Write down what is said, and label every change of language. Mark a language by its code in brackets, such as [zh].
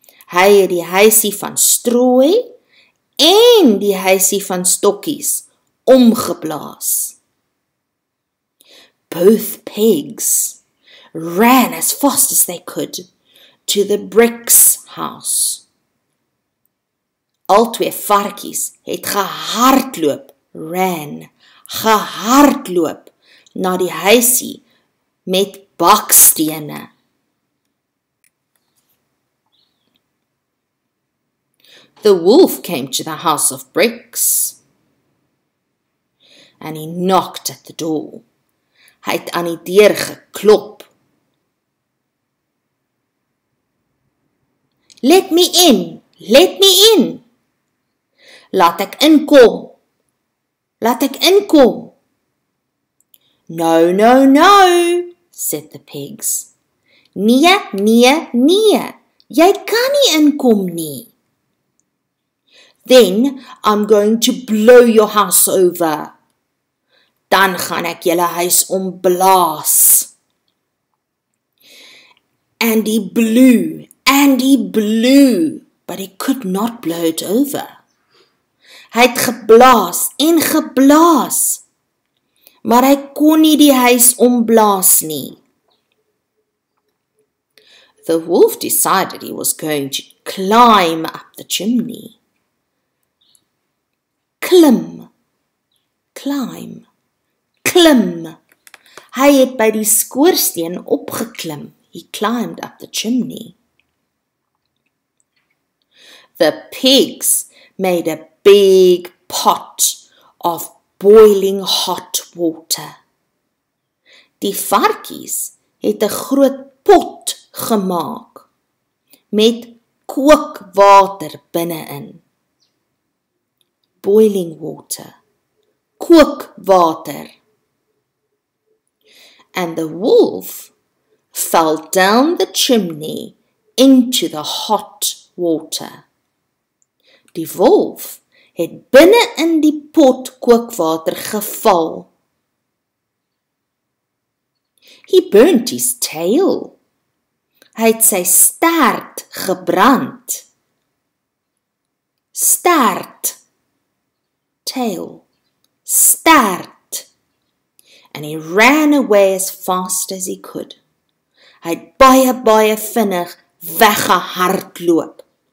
[af] Hy het die huisie van strooi en die huisie van stokkies omgeblaas. [en] Both pigs ran as fast as they could to the bricks house. [af] Al twee varkies het gehardloop na die huisie met bakstene. [en] The wolf came to the house of bricks and he knocked at the door. [af] Hy het aan die deur geklop. [en] "Let me in, let me in. [af] Laat ek inkom, laat ek inkom." [en] "No, no, no," said the pigs. [af] "Nee, nee, nee, jy kan nie inkom nie." [en] "Then I'm going to blow your house over." [af] "Dan gaan ek julle huis omblaas." [en] And he blew. And he blew, but he could not blow it over. [af] Hy het geblaas en geblaas, maar hy kon nie die huis omblaas nie. [en] The wolf decided he was going to climb up the chimney. [af] Klim, climb, klim. Hy het by die skoorsteen opgeklim. [en] He climbed up the chimney. The pigs made a big pot of boiling hot water. [af] Die varkies het 'n groot pot gemaak met kookwater binne-in. [en] Boiling water. Kookwater. And the wolf fell down the chimney into the hot water. [af] Die wolf het binne in die pot kookwater geval. [en] He burnt his tail. [af] Hy het sy staart gebrand. Staart. Tail. Staart. [en] And he ran away as fast as he could. [af] Hy het baie, baie vinnig weggehardloop.